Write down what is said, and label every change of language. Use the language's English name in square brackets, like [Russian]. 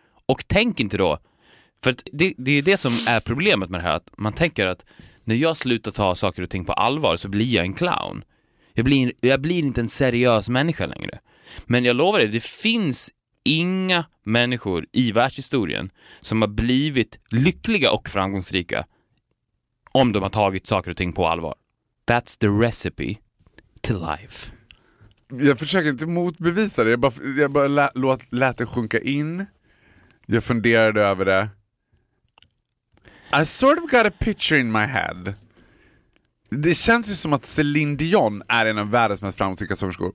[Swedish] Och tänk inte då, för att det är det som är problemet med det här, att man tänker att när jag slutar ta saker och ting på allvar så blir jag en clown. Jag blir inte en seriös människa längre. Men jag lovar dig, det finns inga människor i världshistorien som har blivit lyckliga och framgångsrika om de har tagit saker och ting på allvar. [English] That's the recipe to life. [Swedish] Jag försöker inte motbevisa det. Jag bara lät det sjunka in. Jag funderade över det. [English] I sort of got a picture in my head. [Swedish] Det känns ju som att Celine Dion är en av världens mest framgångsrika sångerskor.